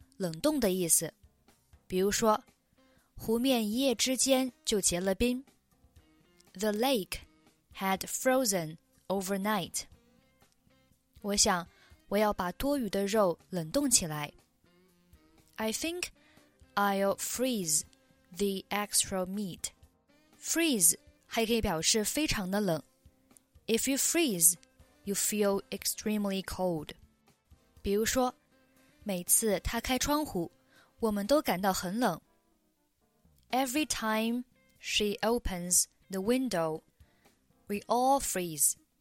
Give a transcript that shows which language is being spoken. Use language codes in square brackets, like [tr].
[zh] 冷冻的意思，比如说，湖面一夜之间就结了冰。 [en] The lake had frozen overnight. [zh] 我想，我要把多余的肉冷冻起来。 [en] I think I'll freeze the extra meat. [zh] Freeze 还可以表示非常的冷。 [en] If you freeze, you feel extremely cold. [zh] 比如说每次他开窗户，我们都感到很冷。 [en] Every time she opens the window, we all freeze.